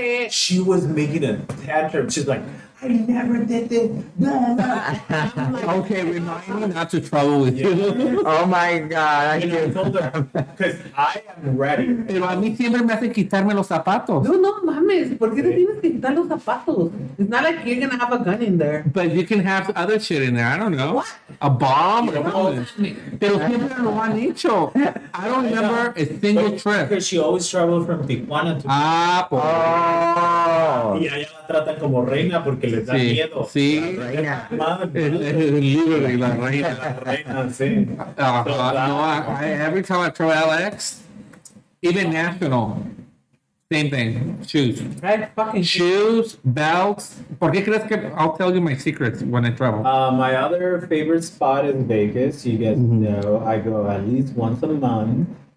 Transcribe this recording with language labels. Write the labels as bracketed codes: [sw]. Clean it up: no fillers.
[en] She was making a tantrum. She's like, I never did this. Like, okay, remind me not to travel with you. Oh my God. I told her, because I am ready. [es] Pero a mí siempre me hacen quitarme los zapatos. No, no, mames. ¿Por qué te tienes que quitar los zapatos? [en] It's not like you're going to have a gun in there. But you can have other shit in there. I don't know. What? A bomb or something. [es] Pero siempre lo han hecho. [en] I don't remember a single trip. Because she always traveled from Tijuana to [es] Tijuana. Ah, por Y allá la tratan como reina porque les da miedo. Sí, la reina. [en] Literally, every time I throw LX, even national, same thing. Shoes. Belts. [es] ¿Por qué crees que [en] I'll tell you my secrets when I travel? My other favorite spot in Vegas, you guys know, I go at least once a month.